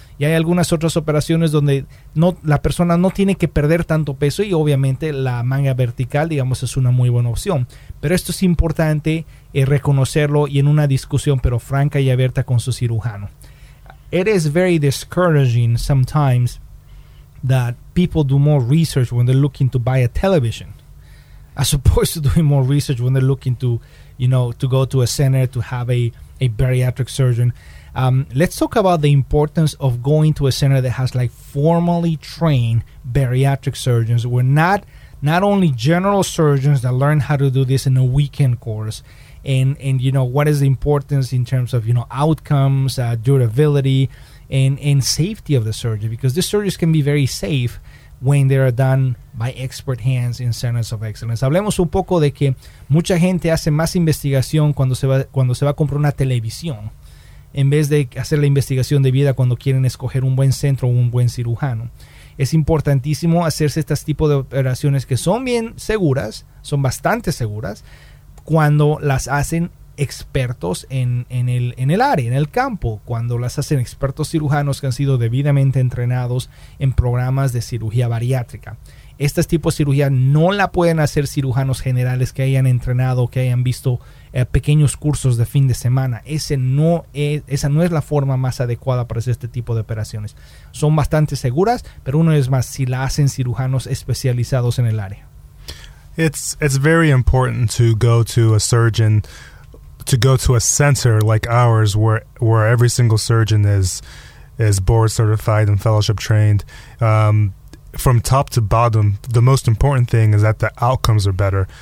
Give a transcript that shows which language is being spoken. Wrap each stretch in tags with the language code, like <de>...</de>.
<es>Y hay algunas otras operaciones donde la persona no tiene que perder tanto peso y obviamente la manga vertical, digamos, es una muy buena opción. Pero esto es importante reconocerlo y en una discusión, pero franca y abierta con su cirujano.</es> <en>It is very discouraging sometimes that people do more research when they're looking to buy a television, as opposed to doing more research when they're looking to, you know, to go to a center to have a bariatric surgeon. Let's talk about the importance of going to a center that has like formally trained bariatric surgeons. We're not only general surgeons that learn how to do this in a weekend course, and you know, what is the importance in terms of, you know, outcomes, durability, and safety of the surgery, because these surgeries can be very safe when they are done by expert hands in centers of excellence.</en> <es>Hablemos un poco de que mucha gente hace más investigación cuando se va a comprar una televisión, en vez de hacer la investigación debida cuando quieren escoger un buen centro o un buen cirujano. Es importantísimo hacerse este tipo de operaciones que son bien seguras, son bastante seguras, cuando las hacen expertos en el área, en el campo, cuando las hacen expertos cirujanos que han sido debidamente entrenados en programas de cirugía bariátrica. Este tipo de cirugía no la pueden hacer cirujanos generales que hayan entrenado, que hayan visto pequeños cursos de fin de semana. Esa no es la forma más adecuada para hacer este tipo de operaciones. Son bastante seguras, pero una vez más, si la hacen cirujanos especializados en el área.</es> <en>It's very important to go to a surgeon, to go to a center like ours where every single surgeon is board certified and fellowship trained. From top to bottom, the most important thing is that the outcomes are better.</en>